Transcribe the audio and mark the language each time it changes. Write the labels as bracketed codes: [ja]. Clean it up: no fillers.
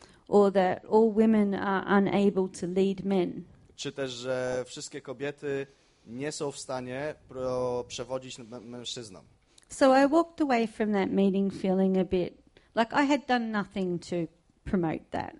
[en] Or that all women are unable to lead men. [pl] Czy też, że wszystkie kobiety nie są w stanie przewodzić mężczyznom. [en] So I walked away from that meeting feeling a bit like I had done nothing to promote that.